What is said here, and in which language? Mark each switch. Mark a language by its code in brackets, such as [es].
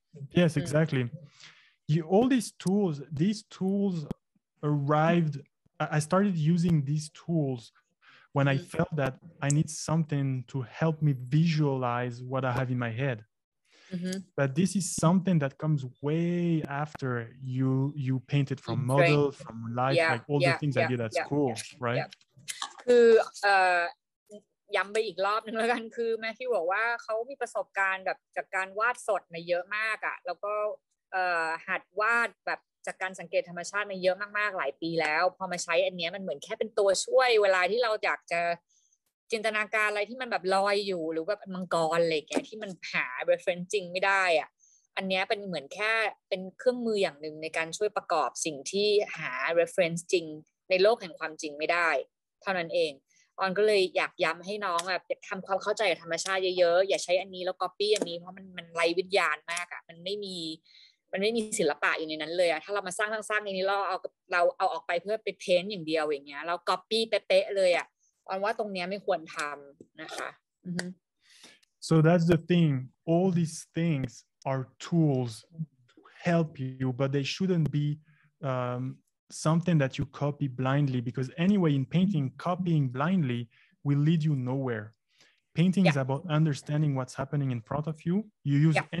[en] yes exactly all these tools arrived I started using these tools when I felt that I need something to help me visualize what I have in my head but this is something that comes way after you paint it from model right. from life yeah, like all yeah, the things yeah, I did at yeah, school yeah, right [th] คือย้ำไปอีกรอบนึงแล้วกันคือแม่ที่บอกว่าเขามีประสบการณ์แบบจากการวาดสดมาเยอะมากอ่ะแล้วก็หัดวาดแบบจากการสังเกตธรรมชาติมาเยอะมากๆหลายปีแล้วพอมาใช้อันนี้มันเหมือนแค่เป็นตัวช่วยเวลาที่เราอยากจะ จินตนาการอะไรที่มันแบบลอยอยู่หรือแบบมังกรเลยแกที่มันหา reference จริงไม่ได้อ่ะอันนี้เป็นเหมือนแค่เป็นเครื่องมืออย่างนึงในการช่วยประกอบสิ่งที่หา reference จริงในโลกแห่งความจริงไม่ได้เท่านั้นเองออนก็เลยอยากย้ำให้น้องแบบทำความเข้าใจกับธรรมชาติเยอะๆอย่าใช้อันนี้แล้วก็ปี้อันนี้เพราะมันไร้วิญญาณมากอ่ะมันไม่ มีศิลปะอยู่ในนั้นเลยอ่ะถ้าเรามาสร้างอันนี้เราเอาออกไปเพื่อไปเพ้นท์อย่างเดียวอย่างเงี้ยเราก็ปี้เป๊ะๆเลยอ่ะออนว่าตรงเนี้ยไม่ควรทำนะคะ [en] So that's the thing all these things are tools to help you but they shouldn't be something that you copy blindly because anyway in painting copying blindly will lead you nowhere painting yeah. is about understanding what's happening in front of you you use yeah.